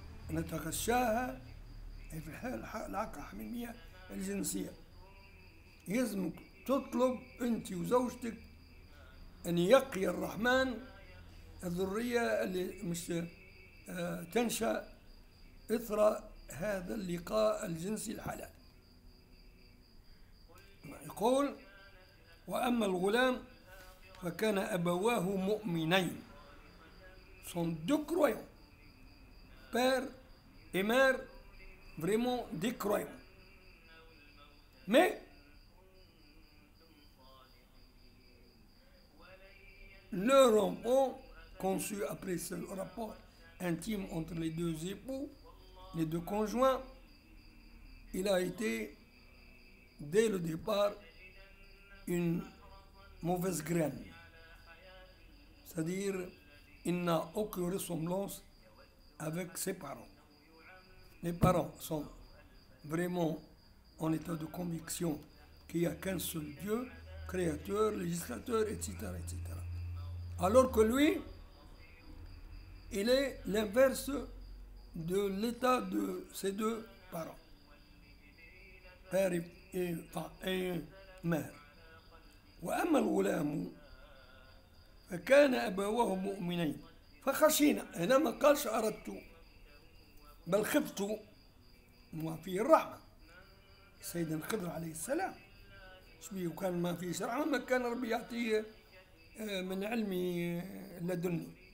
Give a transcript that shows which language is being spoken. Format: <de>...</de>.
<ar>نتغشاها، أي في الحال العلاقة الحميمية الجنسية، يلزمك تطلب أنت وزوجتك أن يقي الرحمن الذرية اللي مش تنشأ إثر هذا اللقاء الجنسي الحلال. يقول وأما الغلام فكان أبواه مؤمنين.</ar> <fr>son deux croyants père et mère vraiment des croyants mais leur enfant conçu après ce rapport intime entre les deux époux, les deux conjoints, il a été dès le départ une mauvaise graine. C'est-à-dire, il n'a aucune ressemblance avec ses parents. Les parents sont vraiment en état de conviction qu'il n'y a qu'un seul Dieu, créateur, législateur, etc., etc. Alors que lui, il est l'inverse de l'état de ses deux parents, père et mère.</fr> <ar>وأما الغلام فكان أبواه مؤمنين فخشينا. هنا ما قالش أردت بل خفت، وفي الرحمة سيدنا الخضر عليه السلام شبيه، وكان ما فيش رحمة ما كان ربي يعطيه من علمي لدني.</ar>